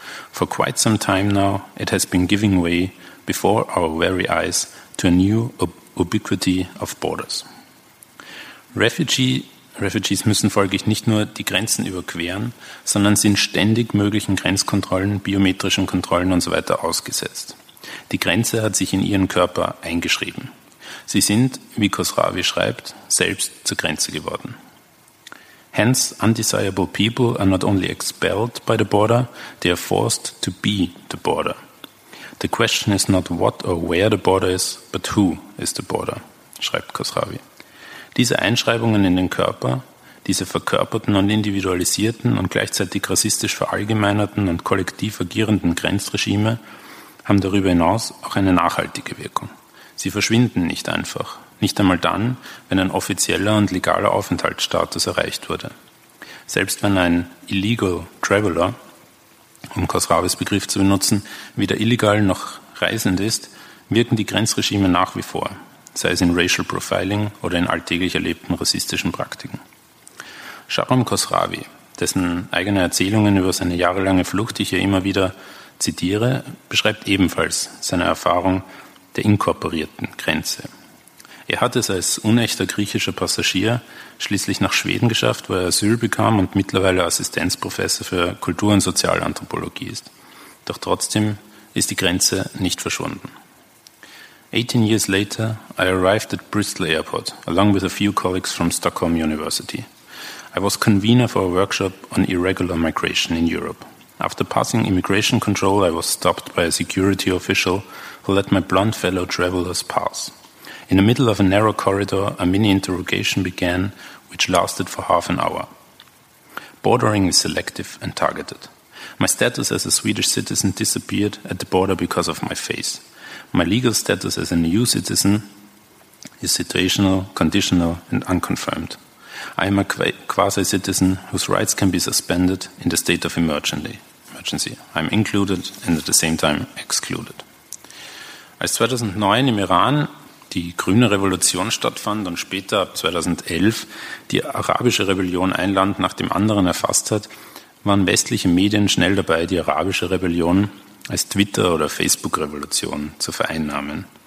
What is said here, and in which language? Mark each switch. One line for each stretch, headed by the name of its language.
English: For quite some time now, it has been giving way before our very eyes to a new ubiquity of borders." Refugee
German: Refugees müssen folglich nicht nur die Grenzen überqueren, sondern sind ständig möglichen Grenzkontrollen, biometrischen Kontrollen und so weiter ausgesetzt. Die Grenze hat sich in ihren Körper eingeschrieben. Sie sind, wie Khosravi schreibt, selbst zur Grenze geworden.
English: Hence, undesirable people are not only expelled by the border, they are forced to be the border. The question is not what or where the border is, but who is the border,
German: schreibt Khosravi. Diese Einschreibungen in den Körper, diese verkörperten und individualisierten und gleichzeitig rassistisch verallgemeinerten und kollektiv agierenden Grenzregime haben darüber hinaus auch eine nachhaltige Wirkung. Sie verschwinden nicht einfach, nicht einmal dann, wenn ein offizieller und legaler Aufenthaltsstatus erreicht wurde. Selbst wenn ein illegal traveler, um Khosravis Begriff zu benutzen, weder illegal noch reisend ist, wirken die Grenzregime nach wie vor, sei es in racial profiling oder in alltäglich erlebten rassistischen Praktiken. Sharam Khosravi, dessen eigene Erzählungen über seine jahrelange Flucht ich hier immer wieder zitiere, beschreibt ebenfalls seine Erfahrung der inkorporierten Grenze. Er hat es als unechter griechischer Passagier schließlich nach Schweden geschafft, wo er Asyl bekam und mittlerweile Assistenzprofessor für Kultur- und Sozialanthropologie ist. Doch trotzdem ist die Grenze nicht verschwunden.
English: 18 years later, I arrived at Bristol Airport, along with a few colleagues from Stockholm University. I was convener for a workshop on irregular migration in Europe. After passing immigration control, I was stopped by a security official who let my blonde fellow travelers pass. In the middle of a narrow corridor, a mini-interrogation began, which lasted for half an hour. Bordering is selective and targeted. My status as a Swedish citizen disappeared at the border because of my face. My legal status as an EU citizen is situational, conditional, and unconfirmed. I am a quasi-citizen whose rights can be suspended in the state of emergency. I am included and at the same time excluded.
German: Als 2009 im Iran die Grüne Revolution stattfand und später ab 2011 die arabische Rebellion ein Land nach dem anderen erfasst hat, waren westliche Medien schnell dabei, die arabische Rebellion als Twitter- oder Facebook-Revolution zu vereinnahmen.